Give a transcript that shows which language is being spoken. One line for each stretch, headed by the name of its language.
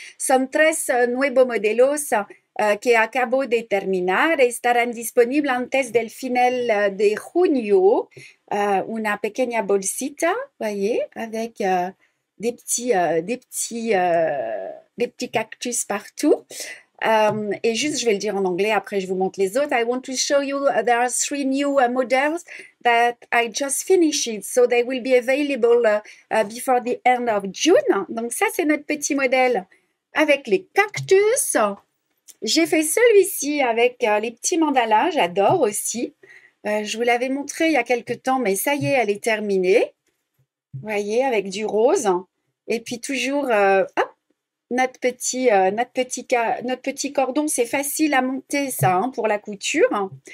Spanish: Son tres nuevos modelos que acabo de terminar estarán disponibles antes del final de junio. Una pequeña bolsita,
French: voyez, avec des petits cactus partout. Et juste, je vais le dire en anglais, après je vous montre les autres.
English: I want to show you, there are three new models that I just finished. So they will be available before the end of June.
French: Donc ça, c'est notre petit modèle avec les cactus. J'ai fait celui-ci avec les petits mandalas, j'adore aussi. Je vous l'avais montré il y a quelques temps, mais ça y est, elle est terminée. Voyez, avec du rose. Et puis toujours, hop, notre petit cordon, c'est facile à monter, ça, hein, pour la couture.